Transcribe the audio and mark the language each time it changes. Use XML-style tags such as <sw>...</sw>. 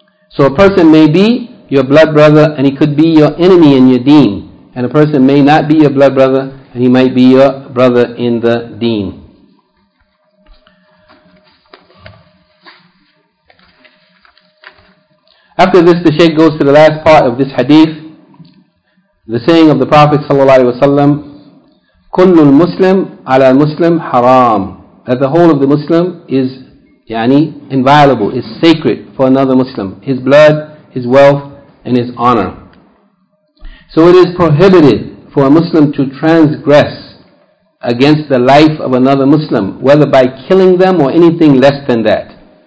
<en>So a person may be your blood brother and he could be your enemy in your deen. And a person may not be your blood brother and he might be your brother in the deen. After this, the shaykh goes to the last part of this hadith. The saying of the Prophet ﷺ,</en> <ar>كُلُّ الْمُسْلِمْ عَلَى الْمُسْلِمْ حَرَامٌ.</ar> <en>That the whole of the Muslim is yani inviolable, is sacred for another Muslim. His blood, his wealth, and his honor. So it is prohibited for a Muslim to transgress against the life of another Muslim, whether by killing them or anything less than that.</en>